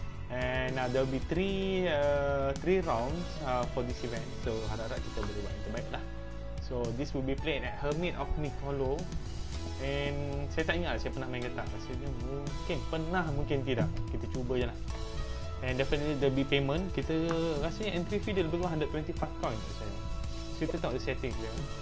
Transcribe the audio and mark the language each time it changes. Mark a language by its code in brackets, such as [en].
[en] And there will be three rounds for this event. [ms] So harap-harap kita boleh buat yang terbaik lah. [en] So this will be played at Hermit of Nicolo. [ms] And saya tak ingat lah saya pernah main ke tak. Maksudnya mungkin pernah, mungkin tidak. Kita cuba je lah. [en] And definitely there will be payment. [ms] Kita rasanya entry fee dia lebih kurang 125 coins saya. So kita tengok the setting dia.